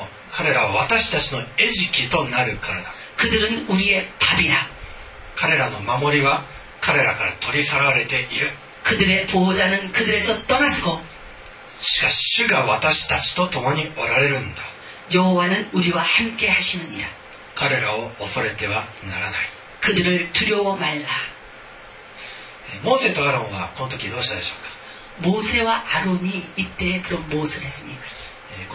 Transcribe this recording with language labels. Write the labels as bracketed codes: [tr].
[ja] 彼らは私たちの餌食となるからだ [ko] 그들은우리의밥이라 [ja] 彼らの守りは彼らから取り去られている [ko] 그들의보호자는그들에서떠나서고 [ja] しかし主が私たちと共におられるんだ [ko] 여호와는우리와함께하시느니라 [ja] 彼らを恐れてはならない [ko] 그들을두려워말라 [ja] モーセとアロンはこの時どうしたでしょうかモーセはアロンに行って [ko] 그런무엇을했습니까